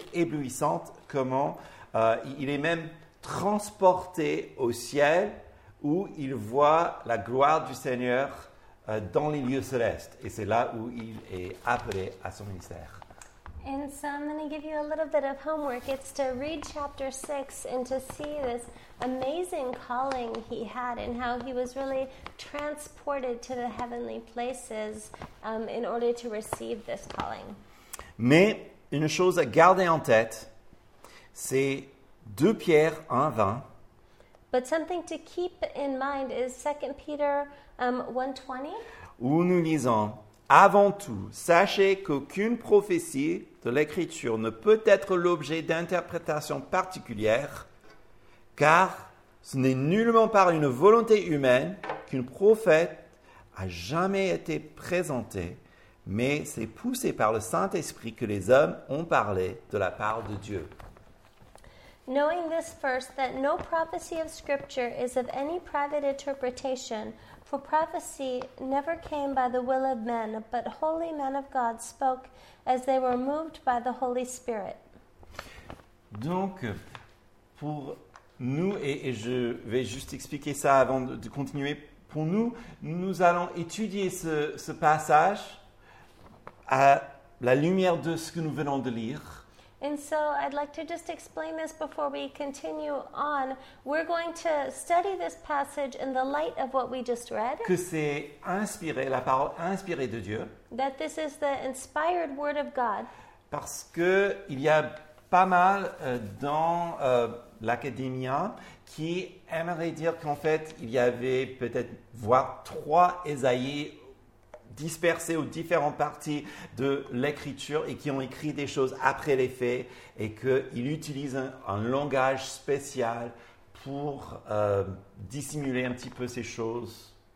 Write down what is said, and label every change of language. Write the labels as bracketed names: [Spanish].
[French] C'est éblouissante comment il est même transporté au ciel, où il voit la gloire du Seigneur dans les lieux célestes. Et c'est là où il est appelé à son ministère. [English] And so I'm going to give you a little bit of homework. It's to read chapter 6 and to see this amazing calling he had and how he was really transported to the heavenly places in order to receive this calling. [French] Mais une chose à garder en tête, c'est 2 Pierre 1:20. [English] But something to keep in mind is 2 Peter 1:20. [French] Où nous lisons, avant tout, sachez qu'aucune prophétie de l'Écriture ne peut être l'objet d'interprétation particulière, car ce n'est nullement par une volonté humaine qu'une prophète a jamais été présentée, mais c'est poussé par le Saint-Esprit que les hommes ont parlé de la part de Dieu. [English] Knowing this first, that no prophecy of Scripture is of any private interpretation, for prophecy never came by the will of men, but holy men of God spoke as they were moved by the Holy Spirit. [French] Donc, pour nous, et je vais juste expliquer ça avant de continuer, pour nous, nous allons étudier ce passage à la lumière de ce que nous venons de lire. [English] And so I'd like to just explain this before we continue on. We're going to study this passage in the light of what we just read. [French] Que c'est inspiré, la parole inspirée de Dieu. [English] That this is the inspired word of God. [French] Parce que il y a pas mal dans l'académia qui aimerait dire qu'en fait, il y avait peut-être voire 3 Ésaïe dispersés aux différentes parties de l'écriture et qui ont écrit des choses après les faits et qu'ils utilisent un langage spécial pour dissimuler un petit peu ces choses.